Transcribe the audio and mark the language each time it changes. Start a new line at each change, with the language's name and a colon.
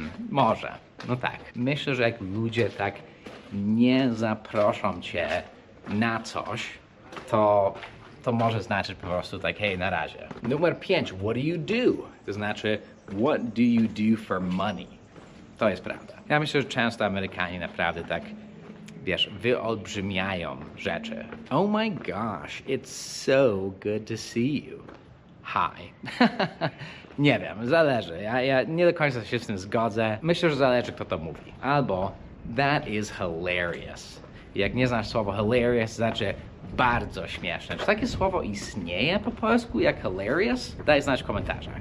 Polish: może. No tak. Myślę, że jak ludzie tak nie zaproszą cię na coś, to może znaczyć po prostu tak, hej, na razie. Numer 5.
English: What do you do?
Polish: To znaczy,
English: what do you do for money?
Polish: To jest prawda. Ja myślę, że często Amerykanie naprawdę tak, wiesz, wyolbrzymiają rzeczy.
English: Oh my gosh, it's so good to see you.
Polish: Hi. Nie wiem, zależy. Ja nie do końca się z tym zgodzę. Myślę, że zależy, kto to mówi. Albo that is hilarious. Jak nie znasz słowo hilarious, znaczy bardzo śmieszne. Czy takie słowo istnieje po polsku jak hilarious? Daj znać w komentarzach.